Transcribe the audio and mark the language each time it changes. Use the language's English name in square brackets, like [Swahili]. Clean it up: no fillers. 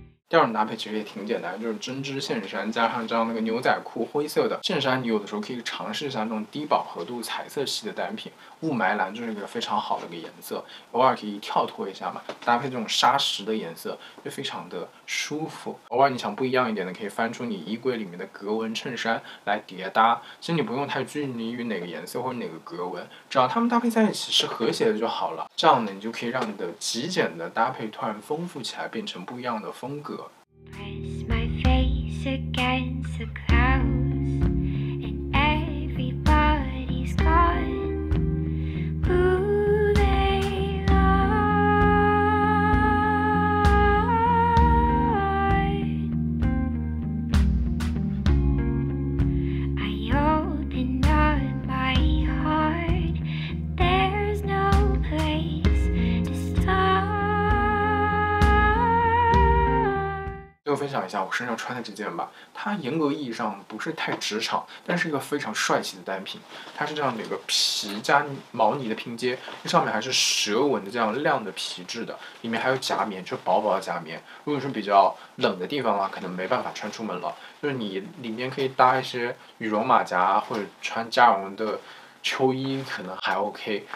[Chinese] 第二种搭配其实也挺简单，就是针织线衫加上这样那个牛仔裤，灰色的线衫，你有的时候可以尝试一下这种低饱和度彩色系的单品，雾霾蓝就是一个非常好的一个颜色，偶尔可以跳脱一下嘛，搭配这种沙石的颜色就非常的舒服。偶尔你想不一样一点的，可以翻出你衣柜里面的格纹衬衫来叠搭，其实你不用太拘泥于哪个颜色或者哪个格纹，只要它们搭配在一起是和谐的就好了，这样呢你就可以让你的极简的搭配突然丰富起来，变成不一样的风格。 [English] Press my face against the clouds, and everybody's gone. Who they are. I opened up my heart. There's no place to start. [Chinese] 就分享一下我身上穿的这件吧，它严格意义上不是太职场，但是一个非常帅气的单品。它是这样的一个皮加毛呢的拼接，上面还是蛇纹的这样亮的皮质的，里面还有夹棉，就薄薄的夹棉。如果是比较冷的地方的话，可能没办法穿出门了。就是你里面可以搭一些羽绒马甲或者穿加绒的秋衣，可能还 OK。